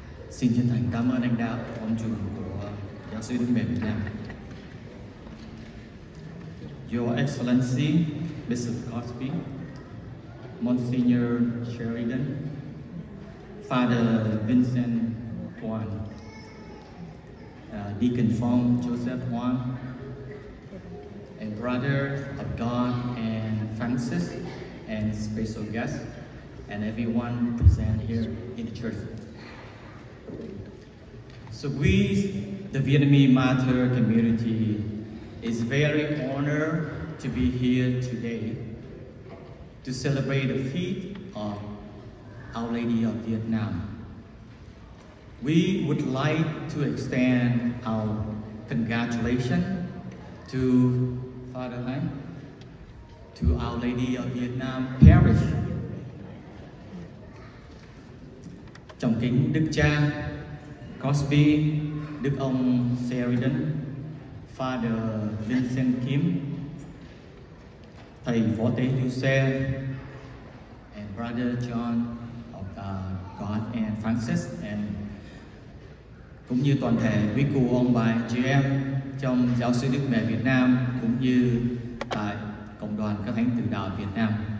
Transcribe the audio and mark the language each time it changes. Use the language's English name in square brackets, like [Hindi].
[Vietnamese] Xin chân thành cảm ơn anh đạo, ông chủ của Giáo sứ Đức Mẹ Việt Nam. [English] Your Excellency, Bishop Cosby, Monsignor Sheridan, Father Vincent Huang, Deacon Phong Joseph Huang, and Brother of God and Francis, and special guests, and everyone present here in the church. So we, the Vietnamese martyr community, is very honored to be here today to celebrate the feast of Our Lady of Vietnam. We would like to extend our congratulations to Father Thánh, to Our Lady of Vietnam Parish. [Vietnamese] Trọng kính Đức Cha Cosby, Đức ông Sheridan, Father Vincent Kim, Thầy Võ Tế Giuse, [English] and Brother John of God and Francis, and [Vietnamese] cũng như toàn thể quý cụ ông bà chị em trong Giáo sứ Đức Mẹ Việt Nam cũng như tại cộng đoàn các thánh tử đạo Việt Nam.